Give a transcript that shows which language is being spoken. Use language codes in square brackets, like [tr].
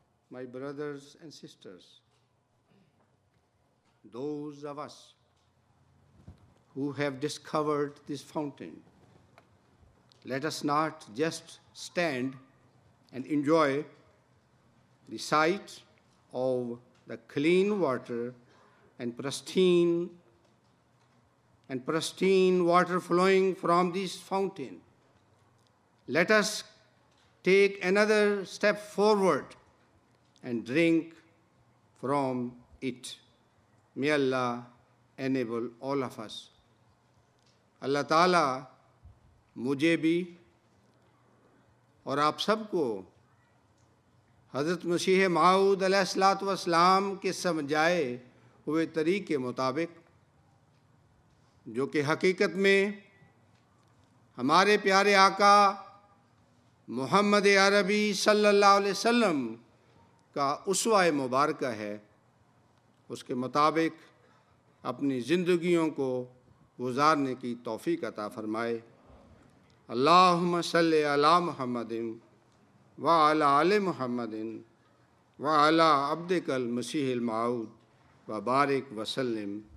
[en] My brothers and sisters, those of us who have discovered this fountain, let us not just stand and enjoy the sight of the clean water and pristine water flowing from this fountain. Let us take another step forward and drink from it. May Allah enable all of us. [ur] Allah Ta'ala mujhe bhi aur aap sabko حضرت مسیح موعود علیہ الصلوۃ والسلام کے سمجھائے ہوئے طریقے مطابق, جو کہ حقیقت میں ہمارے پیارے آقا محمد عربی صلی اللہ علیہ وسلم کا اسوہ مبارکہ ہے, اس کے مطابق اپنی زندگیوں کو گزارنے کی توفیق عطا فرمائے. [ar] اللہم صلی علی محمد وعلى آل محمد وعلى عبدك المسيح الموعود وبارك وسلم